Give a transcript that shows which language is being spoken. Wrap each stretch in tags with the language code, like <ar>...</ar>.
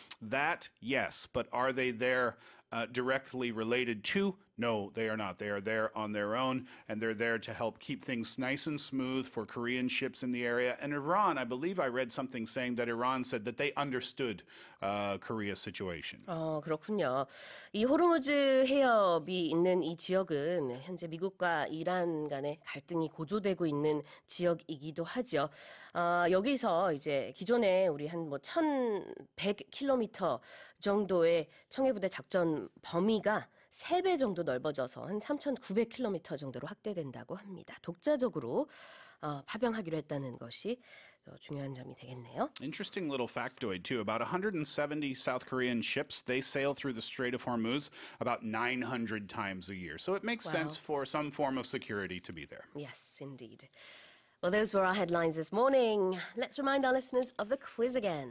<en>That, yes, but are they there directly related to? No, they are not. They are there on their own, and they're there to help keep things nice and smooth for Korean ships in the area. And Iran, I believe I read something saying that Iran said that they understood Korea's situation.</en> <ko>그렇군요. 이 호르무즈 해협이 있는 이 지역은 현재 미국과 이란 간의 갈등이 고조되고 있는 지역이기도 하죠. 여기서 이제 기존에 우리 한 뭐 1,100km 정도의 청해부대 작전 범위가 3배 정도 넓어져서 한 3,900km 정도로 확대된다고 합니다. 독자적으로 파병하기로 했다는 것이 중요한 점이 되겠네요.</ko> <en>Interesting little factoid too. About 170 South Korean ships, they sail through the Strait of Hormuz about 900 times a year. So it makes sense for some form of security to be there. Yes, indeed. Well, those were our headlines this morning. Let's remind our listeners of the quiz again.</en>